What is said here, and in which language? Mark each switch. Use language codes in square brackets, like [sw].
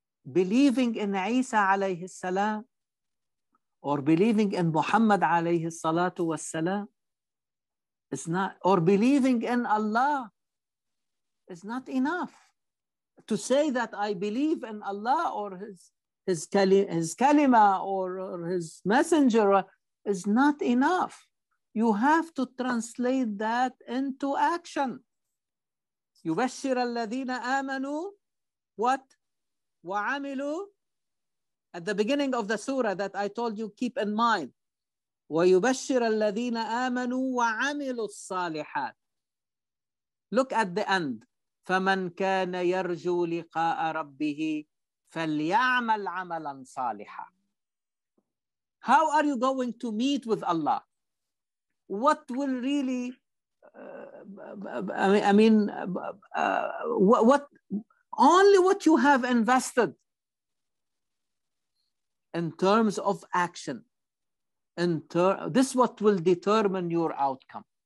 [en] Believing in Isa alayhi salam or believing in Muhammad alayhi salatu wassalam is not, or believing in Allah is not enough. To say that I believe in Allah or his kalima or his messenger is not enough. You have to translate that into action. [ar] يبشر الذين آمنوا [en] what? [ar] وعملوا. [en] At the beginning of the surah that I told you, keep in mind. [ar] ويبشر الذين آمنوا وعملوا الصالحات. [en] Look at the end. [ar] فمن كان يرجو لقاء ربه فليعمل عملا صالحا. [en] How are you going to meet with Allah? What will really, what only what you have invested in terms of action, this what will determine your outcome.